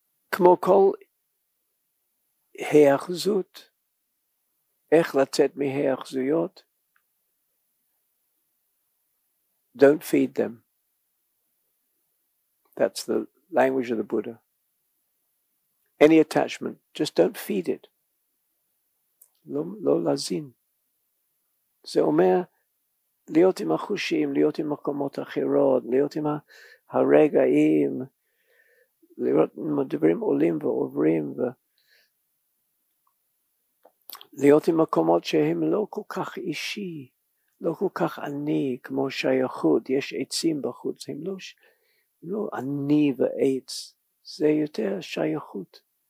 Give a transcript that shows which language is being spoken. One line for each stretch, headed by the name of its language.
Hebrew: כמו כל היאחזות, איך לצאת מהיאחזויות,
English: don't feed them. That's the language of the Buddha. Any attachment, just don't feed it.
Hebrew: לא לזין. זה אומר, להיות עם החושים, להיות עם מקומות אחרות, להיות עם הרגעים, לראות דברים עולים ועוברים, להיות עם מקומות שהם לא כל כך אישי, לא כל כך עני, כמו שייכות, יש עצים בחוץ, הם לא עני ועץ, זה יותר שייכות.